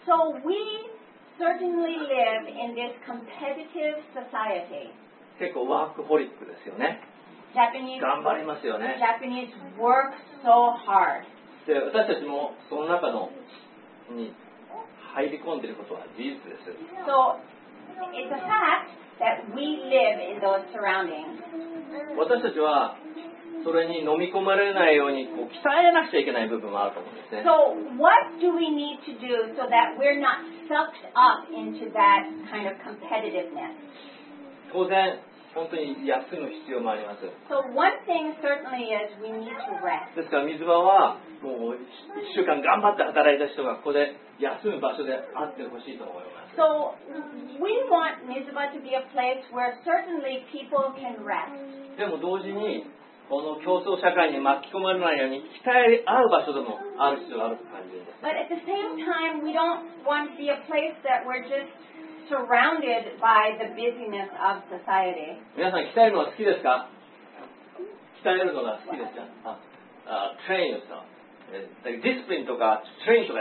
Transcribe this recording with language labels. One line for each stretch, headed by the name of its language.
English: So we certainly live in this competitive society.
Japanese: 結構ワークホリックですよね。
English: Japanese,
Japanese: 頑張りますよね。
English: Japanese work so hard.
Japanese: で、私たちもその中のに入り込んでいることは事実です。
English: So it's a fact that we live in those surroundings.
Japanese: 私たちはそれに飲み込まれないようにこう鍛えなくちゃいけない部分もあると思うんですね。
English: So what do we need to do so that we're not sucked up into that kind of competitiveness?
Japanese: 当然、本当に休む必要もあります。
English: So one thing certainly is we need to rest.
Japanese: ですから水場はもう一週間頑張って働いた人がここで休む場所であってほしいと思います。
English: So we want Mizuba to be a place where certainly people can rest.
Japanese: でも同時にこの競争社会に巻き込まれないように鍛え合う場所でもある必要があると感じるんです。
English: But at the same time, we don't want to be a place that we're just surrounded by the busyness of society.
Japanese: 皆さん、鍛えるのが好きですか？鍛えるのが好きですか？
English: train yourself.
Japanese: Discipline とか train とか